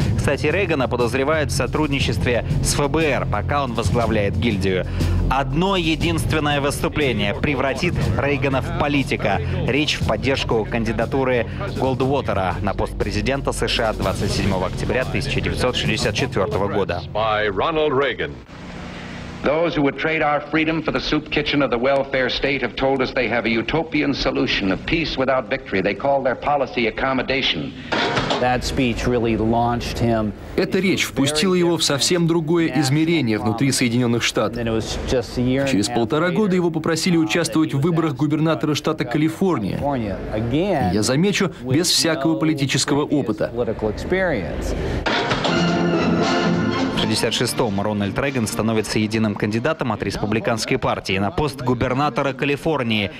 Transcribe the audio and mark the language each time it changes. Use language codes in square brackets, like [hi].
[ru] Кстати, Рейгана подозревают в сотрудничестве с ФБР, пока он возглавляет гильдию. Одно единственное выступление превратит Рейгана в политика. Речь в поддержку кандидатуры Голдвотера на пост президента США 27 октября 1964 года. [en] By Ronald Reagan. Those who would trade our freedom for the soup kitchen of the welfare state have told us they have a utopian solution of peace without victory. They call their policy accommodation. That speech really launched him. [ru] Эта речь впустила его в совсем другое измерение внутри Соединенных Штатов. Через 1.5 года его попросили участвовать в выборах губернатора штата Калифорния. Я замечу, без всякого политического опыта. В 1956-м Рональд Рейган становится единым кандидатом от республиканской партии на пост губернатора Калифорнии.